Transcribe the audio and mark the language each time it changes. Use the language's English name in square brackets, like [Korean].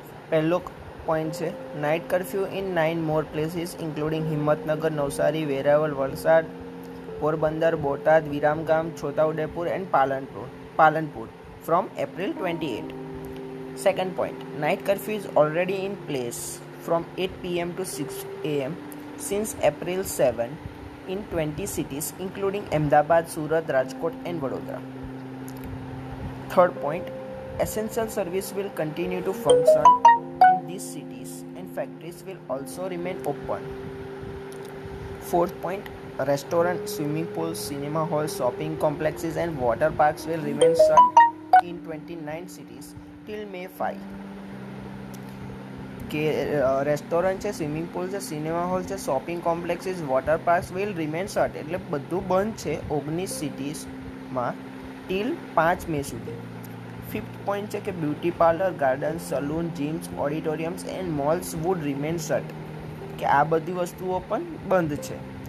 [Gujarati] પહેલો પોઈન્ટ છે, [English] Night curfew in 9 more places including Himmatnagar, Navsari, Veraval, Valsad, Porbandar, Botad, Viramgam, Chhota Udepur and Palanpur from April 28. Second point, night curfew is already in place from 8 p.m. to 6 a.m. since April 7 in 20 cities including Ahmedabad, Surat, Rajkot and Vadodara. Third point, essential service will continue to function in these cities and factories will also remain open. Fourth point, restaurants, swimming pools, cinema halls, shopping complexes and water parks will remain shut in 29 cities till May 5. [Gujarati] કે restaurant છે, swimming pool છે, cinema hall છે, shopping complexes, water park [English] will remain shut, [Gujarati] એટલે બધું બંધ છે 19 સિટીઝમાં teal 5 મે સુધી. Fifth point છે કે beauty parlour, garden, salon, gyms, ઓડિટોરિયમ્સ and moles [English] would remain shut, [Gujarati] કે આ બધી વસ્તુઓ પણ બંધ છે.